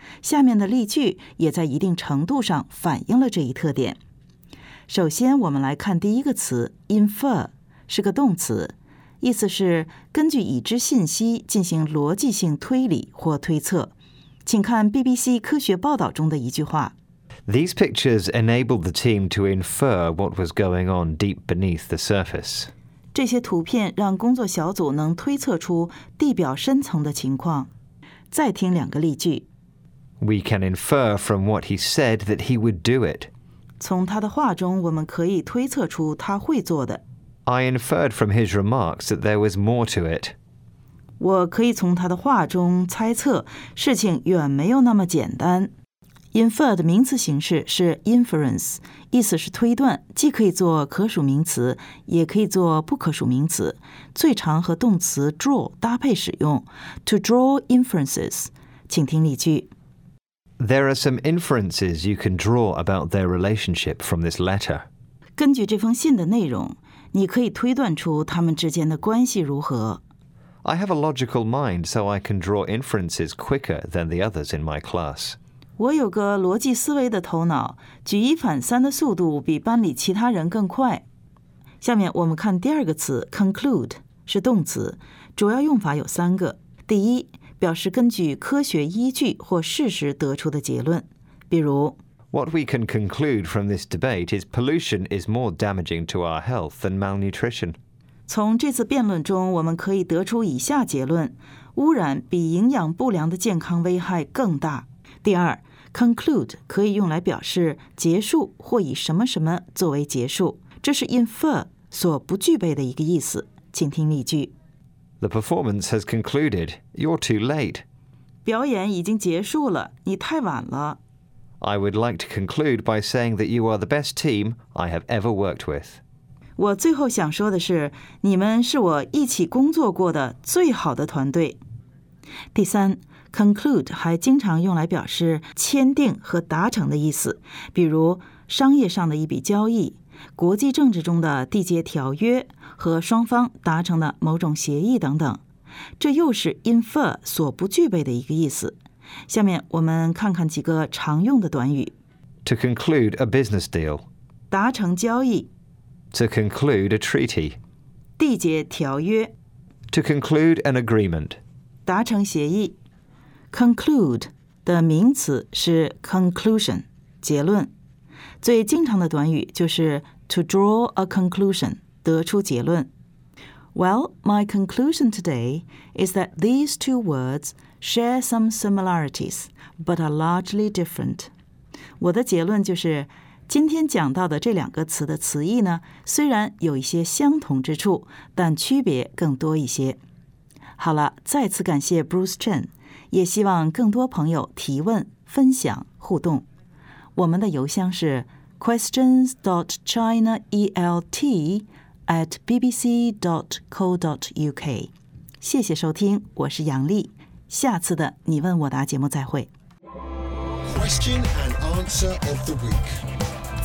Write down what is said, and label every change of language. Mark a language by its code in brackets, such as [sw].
[zh] 下面的例句也在一定程度上反映了这一特点。首先我们来看第一个词 infer， 是个动词，意思是根据已知信息进行逻辑性推理或推测。请看 BBC 科学报道中的一句话。 [en] These pictures enabled the team to infer what was going on deep beneath the surface. [zh] 这些图片让工作小组能推测出地表深层的情况。再听两个例句。 [en] We can infer from what he said that he would do it. [zh] 从他的话中我们可以推测出他会做的。 [en] I inferred from his remarks that there was more to it. [zh] 我可以从他的话中猜测事情远没有那么简单。 Infer 的名词形式是 inference， 意思是推断，既可以做可数名词，也可以做不可数名词，最常和动词 draw 搭配使用。 [en] To draw inferences， [zh] 请听例句。 [en] There are some inferences you can draw about their relationship from this letter. [zh] 根据这封信的内容，你可以推断出他们之间的关系如何。 [en] I have a logical mind, so I can draw inferences quicker than the others in my class. [zh] 我有个逻辑思维的头脑，举一反三的速度比班里其他人更快。下面我们看第二个词 ，conclude 是动词，主要用法有三个。第一，表示根据科学依据或事实得出的结论，比如 [en] What we can conclude from this debate is pollution is more damaging to our health than malnutrition. [zh] 从这次辩论中我们可以得出以下结论，污染比营养不良的健康危害更大。第二， conclude 可以用来表示结束或以什么什么作为结束，这是 infer 所不具备的一个意思，请听例句。 [en] The performance has concluded. You're too late. [zh] 表演已经结束了，你太晚了。 [en] I would like to conclude by saying that you are the best team I have ever worked with. [zh] 我最后想说的是，你们是我一起工作过的最好的团队。第三 ，conclude 还经常用来表示签订和达成的意思，比如商业上的一笔交易。国际政治中的缔结条约和双方达成的某种协议等等，这又是 infer 所不具备的一个意思。下面我们看看几个常用的短语 [en] To conclude a business deal [zh] 达成交易 [en] To conclude a treaty [zh] 缔结条约 [en] To conclude an agreement [zh] 达成协议 Conclude 的名词是 conclusion 结论，最经常的短语就是 [en] to draw a conclusion， [zh] 得出结论。 [en] Well, my conclusion today is that these two words share some similarities, but are largely different. [zh] 我的结论就是，今天讲到的这两个词的词义呢，虽然有一些相同之处，但区别更多一些。好了，再次感谢 Bruce Chen， 也希望更多朋友提问、分享、互动。我们的邮箱是 questions.chinaelt@bbc.co.uk。谢谢收听，我是杨丽，下次的你问我答节目再会。 [en] Question and answer of the week